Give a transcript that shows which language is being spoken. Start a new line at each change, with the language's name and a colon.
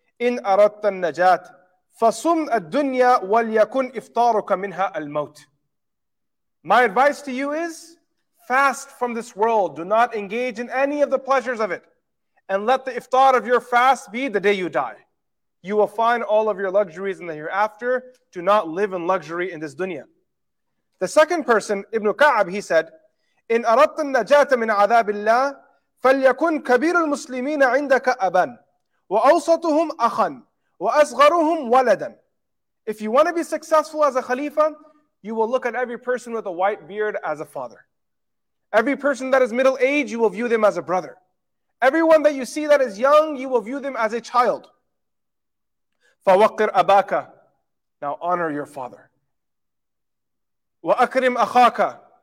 Arabic: إِنْ أَرَدْتَ النَّجَاتِ فَصُمْ الدُّنْيَا وَلْيَكُنْ إِفْطَارُكَ مِنْهَا الْمَوْتِ.
English: My advice to you is, fast from this world. Do not engage in any of the pleasures of it. And let the iftar of your fast be the day you die. You will find all of your luxuries in the hereafter. Do not live in luxury in this dunya. The second person, Ibn Ka'ab, he said,
Arabic: إِنْ أَرَدْتَ النَّجَاةَ مِنْ عَذَابِ اللَّهِ فَلْيَكُنْ كَبِيرُ الْمُسْلِمِينَ عِنْدَكَ أَبًا وَأَوْسَطُهُمْ أَخًا وَأَصْغَرُهُمْ وَلَدًا.
English: If you want to be successful as a khalifa, you will look at every person with a white beard as a father. Every person that is middle age, you will view them as a brother. Everyone that you see that is young, you will view them as a child.
Arabic: فَوَقِّرْ أَبَاكَ.
English: Now honor your father.
Arabic: وَأَكْرِمْ أَخَاكَ.